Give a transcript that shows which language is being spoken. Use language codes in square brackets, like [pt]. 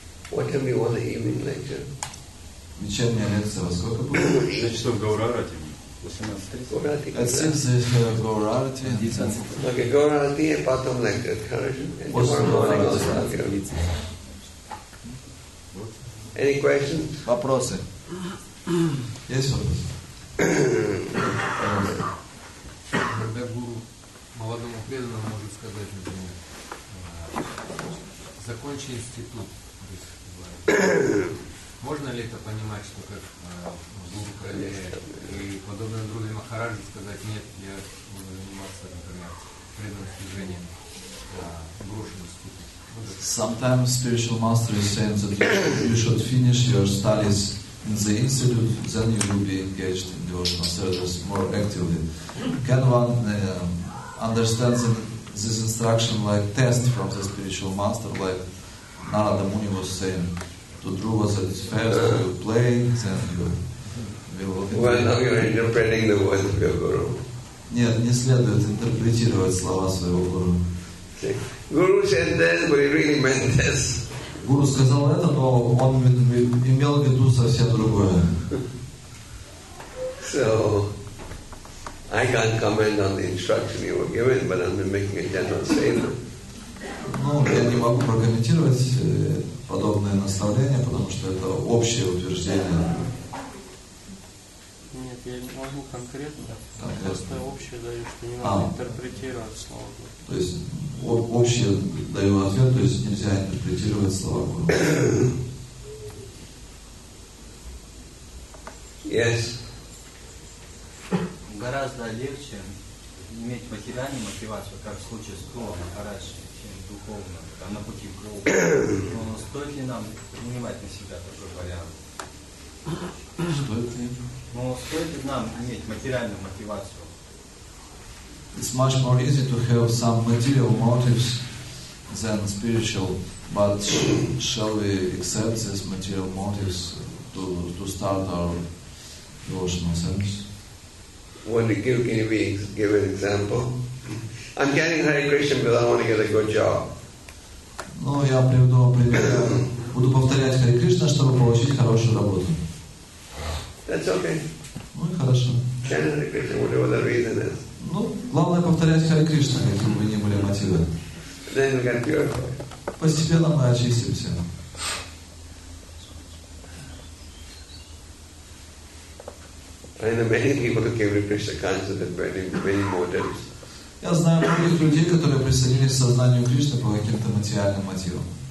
[en] What time do you want the evening lecture? [ru] Вечерняя лекция во сколько будет? 6 часов Гаурарати. От 7:30 Гаурарати. Окей, Гаурарати, а потом лекция, хорошо? [en] Any questions? [ru] Вопросы? Есть вопросы? Когда гуру молодому преданному может сказать, например, закончи институт, можно ли это понимать, что как гуру проверяет? И подобное Друге Махараджи сказать, нет, я буду заниматься, например, преданным служением брошен институт. [en] Sometimes spiritual master is saying that you should finish your studies in the institute, then you will be engaged in devotional service more actively. Can one understand this instruction like test from the spiritual master, like Narada Muni was saying to Dhruva that it's first you play, then you will be... Well, now you're interpreting the words of your guru. [ru] Нет, не следует интерпретировать слова своего гуру. [en] Guru said that, but he really meant this. [ru] Гуру сказал это, но он имел в виду совсем другое. [en] So, I can't comment on the instruction you were given, but I'm making a general statement. [ru] Ну, я не могу прокомментировать подобное наставление, потому что это общее утверждение. Нет, я не могу конкретно. Просто общее даю, что не надо интерпретировать слово. То есть, общее даю ответ, то есть нельзя интерпретировать слово. [en] Yes. [ru] Гораздо легче иметь материальную мотивацию, как в случае с Крона, хорошо, чем духовно, там, на пути к Крону. Но стоит ли нам принимать на себя такой вариант? Стоит ли? Но стоит ли нам иметь материальную мотивацию? [en] It's much more easy to have some material motives than spiritual, but shall we accept these material motives to start our devotional service? Want to give? Can you be, give an example? I'm getting Hare Krishna because I want to get a good job. [ru] Ну, я приведу пример. Буду повторять Hare Krishna, чтобы получить хорошую работу. [en] That's okay. [ru] Ну, хорошо. [en] Can Hare Krishna, whatever the reason is. [ru] Ну, главное повторять Hare Krishna, каким бы ни были мотивы. [en] Then we get purified. [ru] Постепенно мы очистимся. [en] I know many people who came to Krishna consciousness with many, many motives. [ru] Я знаю многих людей, которые присоединились к сознанию Кришны по каким-то материальным мотивам.